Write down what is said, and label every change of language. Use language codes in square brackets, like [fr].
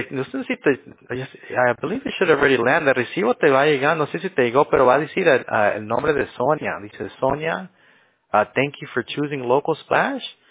[es] No sé si [en] I believe it should already land. [es] El recibo te va a llegar. No sé si te llegó, pero va a decir el nombre de Sonia. Dice, [en] Sonia, thank you for choosing Local Splash.